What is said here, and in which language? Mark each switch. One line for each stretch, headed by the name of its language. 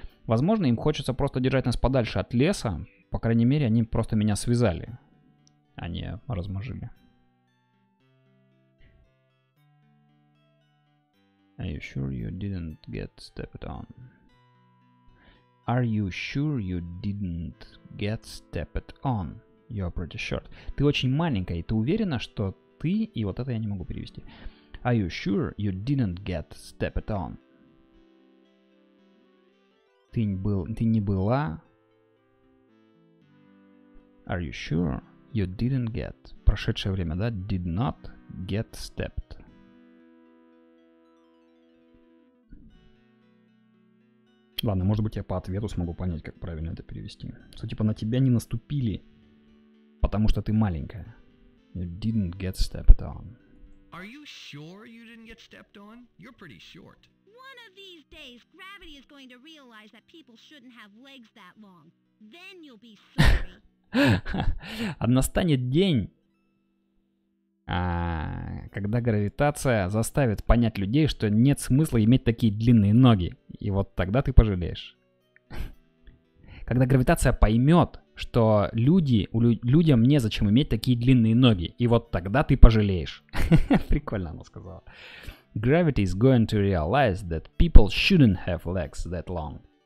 Russian: Возможно, им хочется просто держать нас подальше от леса. По крайней мере, они просто меня связали, а не размажили.
English: Are you sure you didn't get stepped on? Are you sure you didn't get stepped on? You're pretty short.
Russian: Ты очень маленькая, и ты уверена, что ты... И вот это я не могу перевести.
English: Are you sure you didn't get stepped on?
Russian: Ты не была...
English: Are you sure you didn't get...
Russian: Прошедшее время, да?
English: Did not get stepped.
Russian: Ладно, может быть, я по ответу смогу понять, как правильно это перевести. Что типа на тебя не наступили, потому что ты маленькая.
English: You didn't get stepped on. Are you sure you didn't get stepped on? You're pretty short. One of these days, gravity is going to realize that people shouldn't have legs that long. Then you'll be sorry.
Russian: Настанет день, когда гравитация заставит понять людей, что нет смысла иметь такие длинные ноги. И вот тогда ты пожалеешь. Когда гравитация поймет, что людям незачем иметь такие длинные ноги. И вот тогда ты пожалеешь. Прикольно она сказала.
English: Gravity is going to realize that people shouldn't have legs that long.